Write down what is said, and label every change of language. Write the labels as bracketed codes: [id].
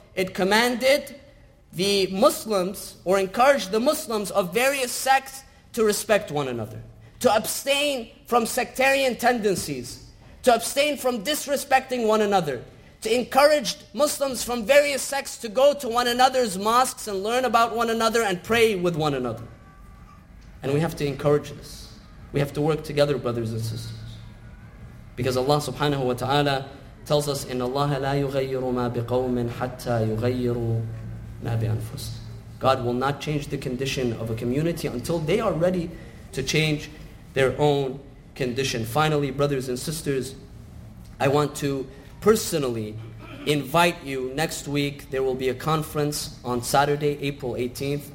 [en] It commanded the Muslims, or encouraged the Muslims of various sects, to respect one another, to abstain from sectarian tendencies, to abstain from disrespecting one another, to encourage Muslims from various sects to go to one another's mosques and learn about one another and pray with one another. And we have to encourage this. We have to work together, brothers and sisters. Because Allah subhanahu wa ta'ala tells us, [ar] إِنَّ اللَّهَ لَا يُغَيِّرُ مَا بِقَوْمٍ حَتَّى يُغَيِّرُ مَا بِأَنفُسٍ. [en] God will not change the condition of a community until they are ready to change their own condition. Finally, brothers and sisters, I want to personally invite you. Next week, there will be a conference on Saturday, April 18th.